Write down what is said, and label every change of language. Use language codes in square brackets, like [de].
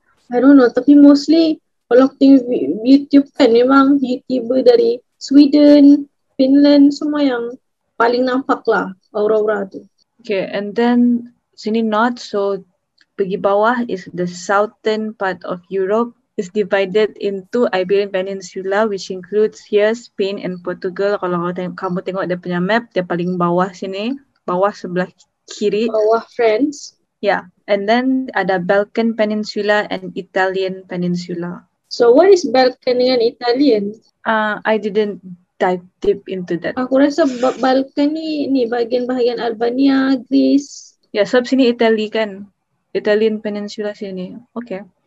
[en] I don't know, [ms] tapi mostly kalau tengok YouTube kan memang YouTuber dari Sweden, Finland semua yang paling nampak lah aurora tu. [en] Okay, and then sini north, so [ms] pergi bawah [en] is the southern part of Europe. Is divided into Iberian Peninsula, which includes here Spain and Portugal. [ms] Kalau kamu tengok dia punya map, dia paling bawah sini, bawah sebelah kiri. Bawah France. [en] Yeah, and then ada Balkan Peninsula and Italian Peninsula. So what is Balkan and Italian? I didn't dive deep into that. [ms] Aku rasa Balkan ni bahagian-bahagian Albania, Greece. Yeah, sebab sini Italy kan, Italian Peninsula sini. Okay.